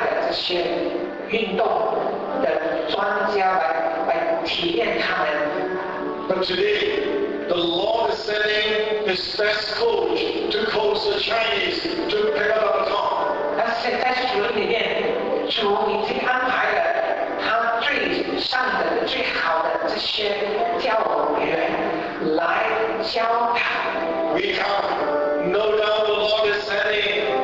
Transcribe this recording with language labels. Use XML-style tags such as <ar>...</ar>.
<zh>些运动的专家来体验他们。</zh> <en>But today, the Lord is sending His best coach to coach the Chinese to pick up the baton.</en> <zh>但是在主里面，主已经安排了他最上的、最好的这些教员来教他。</zh> <en>We have no doubt the Lord is sending.</en>